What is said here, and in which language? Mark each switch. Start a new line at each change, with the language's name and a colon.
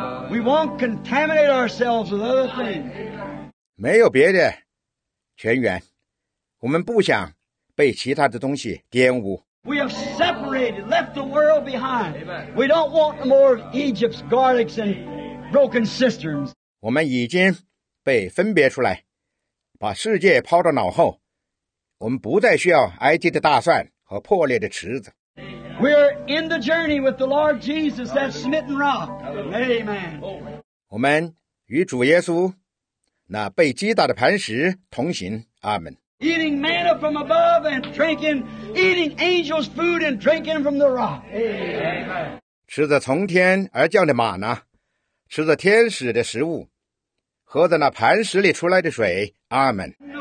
English: We won't contaminate ourselves with other things.
Chinese: 没有别的泉源，我们不想被其他的东西玷污。
English: We have separated, left the world behind. We don't want more of Egypt's garlics and broken cisterns.
Chinese: 我们已经被分别出来，把世界抛到脑后。我们不再需要埃及的大蒜和破裂的池子。
English: We're in the journey with the Lord Jesus, that smitten rock. Amen.
Chinese: 我们与主耶稣那被击打的磐石同行。阿门。
English: Eating manna from above and drinking, eating angels' food and drinking from the rock. Amen.
Chinese: 吃着从天而降的玛纳，吃着天使的食物，喝着那磐石里出来的水。阿门。